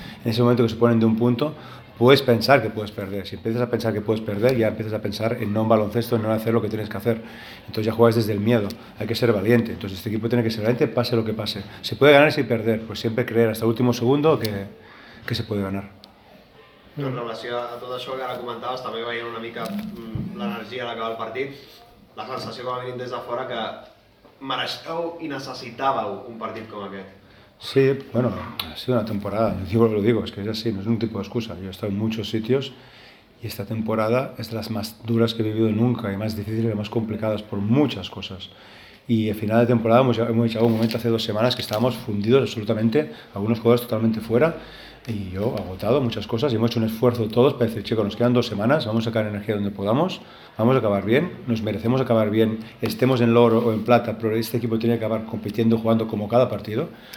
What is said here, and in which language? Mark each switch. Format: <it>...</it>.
<es>En ese momento que se ponen de un punto, puedes pensar que puedes perder. Si empiezas a pensar que puedes perder, ya empiezas a pensar en no un baloncesto, en no hacer lo que tienes que hacer. Entonces ya juegas desde el miedo. Hay que ser valiente. Entonces este equipo tiene que ser valiente, pase lo que pase. Se puede ganar sin perder, pues siempre creer hasta el último segundo que se puede ganar.</es> <ca>En relació a tot això que ara comentaves, també veient una mica l'energia a l'acabar el partit, la sensació com a mínim des de fora que mereixeu i necessitàveu un partit com aquest.</ca> <es>Sí, bueno, ha sido una temporada, yo digo lo que digo, es que es así, no es un tipo de excusa. Yo he estado en muchos sitios y esta temporada es de las más duras que he vivido nunca, y más difíciles y más complicadas por muchas cosas. Y al final de temporada hemos llegado a un momento hace 2 semanas que estábamos fundidos absolutamente, algunos jugadores totalmente fuera y yo agotado muchas cosas y hemos hecho un esfuerzo todos para decir, chicos, nos quedan 2 semanas, vamos a sacar energía donde podamos, vamos a acabar bien, nos merecemos acabar bien, estemos en oro o en plata, pero este equipo tiene que acabar compitiendo, jugando como cada partido.</es>